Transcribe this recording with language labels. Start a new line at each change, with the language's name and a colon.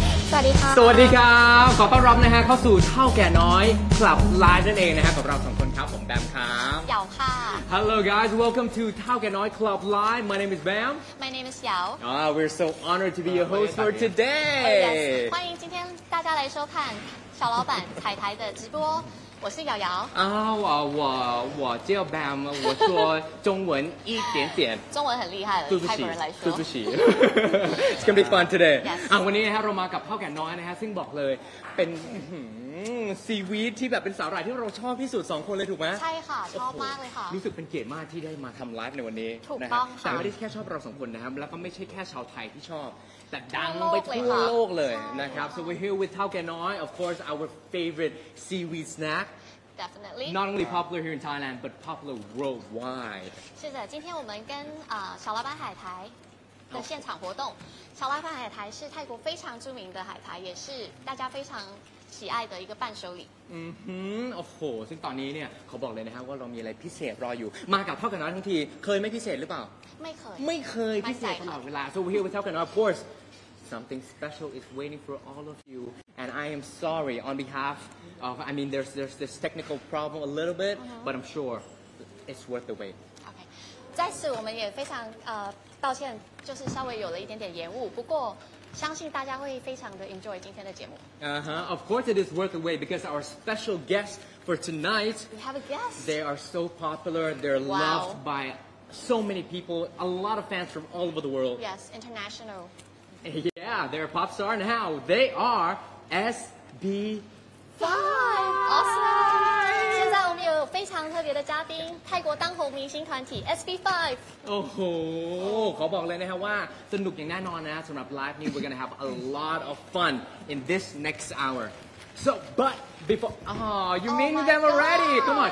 Thai: สวัสดีครับขอต้อนรับนะฮะเข้าสู่เท่าแก่น้อยคลับไลน์นั่นเองนะฮะกับเราสองคนครับผมแบมครับ เหยาค่ะ
English: Hello guys welcome to เท่าแก่น้อยคลับไลน์ My name is Bam My name is เหยา We're so honored to be your host for today
Chinese: 欢迎今天大家来收看小老板彩台的直播我是瑶瑶啊，我叫 Bam， 我说中文一点点，中文很厉害了，对不起，泰国人来说，对不起，
English: It's gonna be fun today。 Yes.
Thai: 啊，วันนี้นะฮะเรามากับเท่าแก่น้อยนะฮะซึ่งบอกเลยเป็นซีวีดที่แบบเป็นสาวหร่ายที่เราชอบที่สุด2คนเลยถูกไหม ใช่ค่ะชอบมากเลยค่ะ รู้สึกเป็นเกียรติมากที่ได้มาทำไลฟ์ในวันนี้ ถูกต้องค แต่ไม่ได้แค่ชอบเรา2คนนะครับแล้วก็ไม่ใช่แค่ชาวไทยที่ชอบแต่ดังไปทั่วโลกเลยนะครับ
English: so we're here with เท่าแก่น้อย of course our favorite seaweed snack definitely not only popular here in Thailand but popular worldwide
Thai: ใช่ค่ะ
Chinese: 今天我们跟小老板海苔的现场活动小老板海苔是泰国非常著名的海苔也是大家非常喜爱的一个伴手礼
Thai: 嗯哼โอ้โหซึ่งตอนนี้เนี่ยขอบอกเลยนะครับว่าเรามีอะไรพิเศษรออยู่มากับเท่ากันน้อยทั้งทีเคยไม่พิเศษหรือเปล่า ไม่เคย ไม่เคยพิเศษตลอดเวลา
English: so we're here with เท่ากันน้อย of course something special is waiting for all of you and I am sorry on behalf of I mean there's this technical problem a little bit but I'm sure it's worth the wait
Chinese: okay 在此我们也非常抱歉就是稍微有了一点点延误不过相信大家会非常的 enjoy 今天的节目
English: Of course it is worth the wait because our special guest for tonight We have a guest They are so popular They're wow. loved by so many people A lot of fans from all over the world Yes, international Yeah, they're a pop star now They are SB5 Awesome
Chinese: 现在我们有有非常特别的嘉宾，泰国当红明星团体 SB5。
Thai: โอ้โหขอบอกเลยนะครับว่าสนุกอย่างแน่นอนนะสำหรับไลฟ์นี้
English: we're gonna have a lot of fun in this next hour so but before oh you mean them already come on